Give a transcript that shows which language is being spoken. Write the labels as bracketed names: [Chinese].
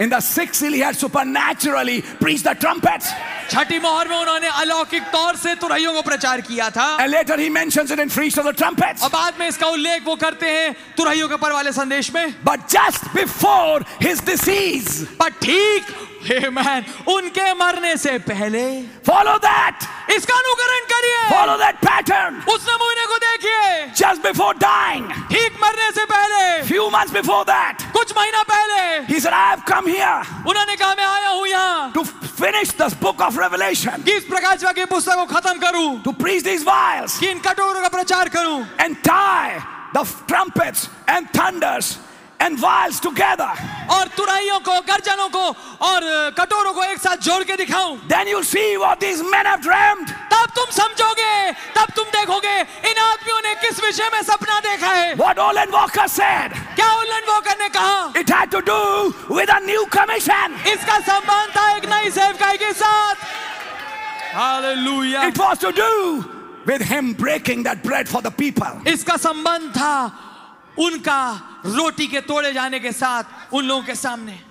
[English] in the sixth seal he had supernaturally preached the trumpets. [Hindi] छठी मोहर में उन्होंने अलौकिक तौर से तुरहियों को प्रचार किया था. [English] And later he mentions it in feast of the trumpets. [Hindi] और बाद में इसका उल्लेख वो करते हैं तुरहियों के पर वाले संदेश में. [English] But just before his decease, [Hindi] पर ठीक, [English] amen, [Hindi] उनके मरने से पहले, [English] follow that. [Hindi] इसका अनुकरण करिए. [English] Follow that pattern. [Hindi] उस नमूने को देखिए. [English] Just before dying. [Hindi] ठीक मरने से पहले. [English] Few months before that. [Hindi] कुछ महीना पहले. [English] He said, "I have come here." [Hindi] उन्होंने कहा, मैं आया हूँ यहाँ. [English] To finish this book of Revelation. [Hindi] किस प्रकाश वाक्य पुस्तक को खत्म करूँ. [English] To preach these vials. [Hindi] किन कटोरों का प्रचार करूँ. [English] And tie the trumpets and thunders and vials together. [Hindi] और तुराइयों को, गर्जनों को और कटोरों को एक साथ जोड़ के दिखाऊं. [English] Then you see what these men have dreamt. [Hindi] तब तुम समझोगे, तब तुम देखोगे इन आदमियों ने किस विषय में सपना देखा है. [English] What Olin Walker said. [Hindi] क्या ओलन वॉकर ने कहा? [English] It had to do with a new commission. [Hindi] इसका संबंध था एक नई सेवकाई के साथ. [English] Hallelujah. It was to do with him breaking that bread for the people. [Hindi] इसका संबंध था उनका रोटी के तोड़े जाने के साथ उन लोगों के सामने.